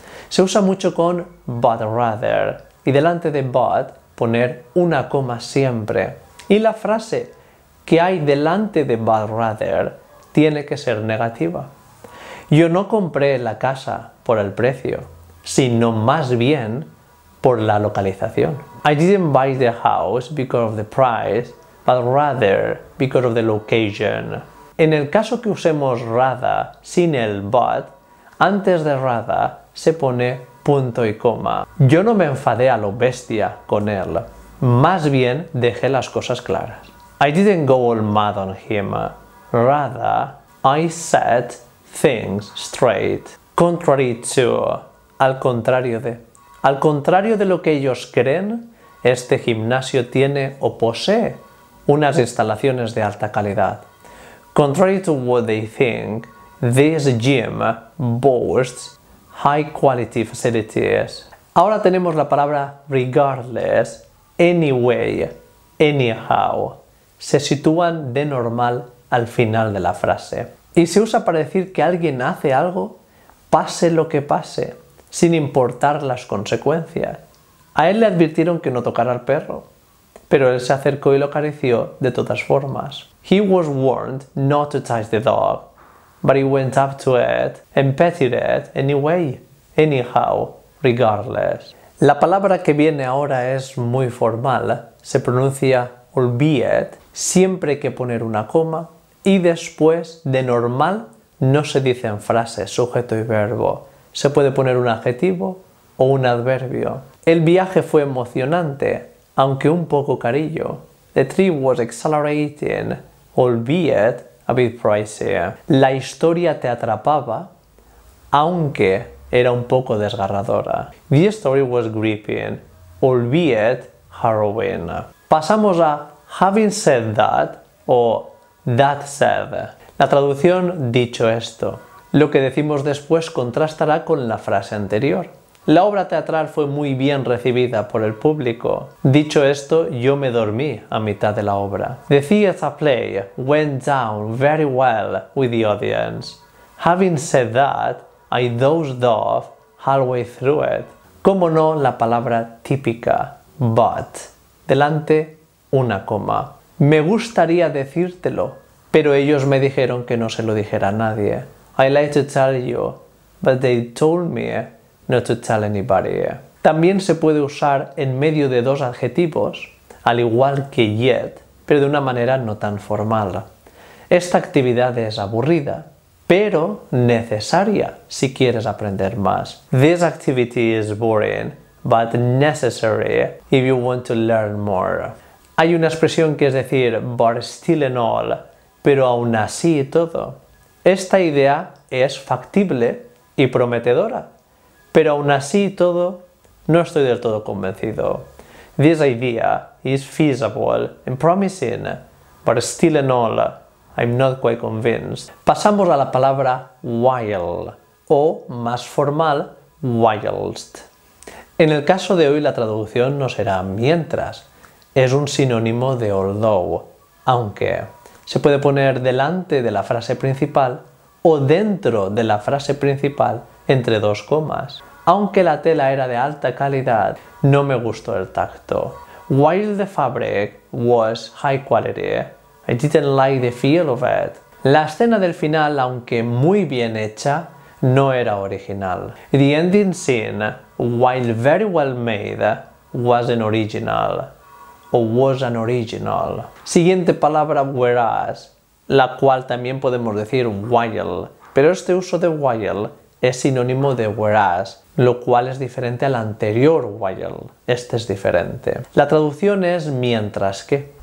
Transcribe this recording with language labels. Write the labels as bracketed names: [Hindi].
[Spanish] Se usa mucho con but rather. Y delante de but, poner una coma siempre. Y la frase que hay delante de but rather tiene que ser negativa. Yo no compré la casa por el precio, sino más bien por la localización. [English] I didn't buy the house because of the price, but rather because of the location. [Spanish] En el caso que usemos rather sin el but, antes de rather se pone punto y coma. Yo no me enfadé a lo bestia con él. Más bien dejé las cosas claras. [English] I didn't go all mad on him. Rather, I set things straight. [Spanish] Contrary to, al contrario de. Al contrario de lo que ellos creen, este gimnasio tiene o posee unas instalaciones de alta calidad. [English] Contrary to what they think, this gym boasts high quality facilities. [Spanish] Ahora tenemos la palabra regardless, anyway, anyhow. Se sitúan de normal al final de la frase. Y se usa para decir que alguien hace algo, pase lo que pase, sin importar las consecuencias. A él le advirtieron que no tocara al perro, pero él se acercó y lo acarició de todas formas. [English] He was warned not to touch the dog, but he went up to it and petted it anyway, anyhow, regardless. [Spanish] La palabra que viene ahora es muy formal. Se pronuncia albeit, siempre hay que poner una coma, y después, de normal, no se dice en frase, sujeto y verbo. Se puede poner un adjetivo o un adverbio. El viaje fue emocionante, aunque un poco carillo. [English] The trip was exhilarating, albeit a bit pricey. [Spanish] La historia te atrapaba, aunque era un poco desgarradora. [English] The story was gripping, albeit harrowing. [Spanish] Pasamos a having said that o that said. La traducción dicho esto. Lo que decimos después contrastará con la frase anterior. La obra teatral fue muy bien recibida por el público. Dicho esto, yo me dormí a mitad de la obra. [English] The theater play went down very well with the audience. Having said that, I dozed off halfway through it. [Spanish] Cómo no, la palabra típica, but. Delante, una coma. Me gustaría decírtelo, pero ellos me dijeron que no se lo dijera a nadie. [English] I like to tell you, but they told me not to tell anybody. [Spanish] También se puede usar en medio de dos adjetivos, al igual que yet, pero de una manera no tan formal. Esta actividad es aburrida, pero necesaria si quieres aprender más. [English] This activity is boring, but necessary if you want to learn more. [Spanish] Hay una expresión que es decir, but still and all, pero aún así y todo. Esta idea es factible y prometedora, pero aún así y todo, no estoy del todo convencido. [English] This idea is feasible and promising, but still and all, I'm not quite convinced. [Spanish] Pasamos a la palabra while, o más formal, whilst. En el caso de hoy la traducción no será mientras, es un sinónimo de although, aunque. se puede poner delante de la frase principal o dentro de la frase principal entre dos comas. Aunque la tela era de alta calidad, no me gustó el tacto. [English] While the fabric was high quality, I didn't like the feel of it. [Spanish] La escena del final, aunque muy bien hecha, no era original. [English] The ending scene, while very well made, wasn't original. O was an original. [Spanish] Siguiente palabra, whereas, la cual también podemos decir while. Pero este uso de while es sinónimo de whereas, lo cual es diferente al anterior while. Este es diferente. La traducción es mientras que.